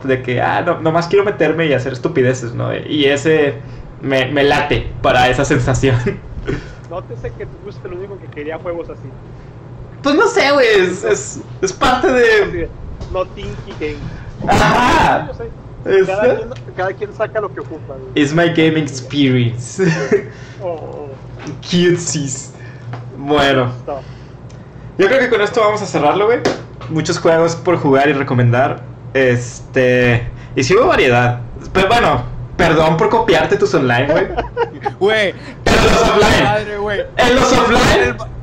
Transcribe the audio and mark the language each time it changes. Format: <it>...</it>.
<es>De que, nomás quiero meterme y hacer estupideces, ¿no? Y ese me late para esa sensación. Nótese que tú fuiste el único que quería juegos así. Pues no sé, güey, es parte de... No tinky game. ¡Ajá! Cada quien saca lo que ocupa, güey.</es> <en>It's my gaming experience. Oh.</en> <es>Cutesies. Bueno. Yo creo que con esto vamos a cerrarlo, güey. Muchos juegos por jugar y recomendar. Y sí hubo variedad. Pero bueno, perdón por copiarte tus online, güey. Güey. En los offline. Madre, güey. En los offline.</es>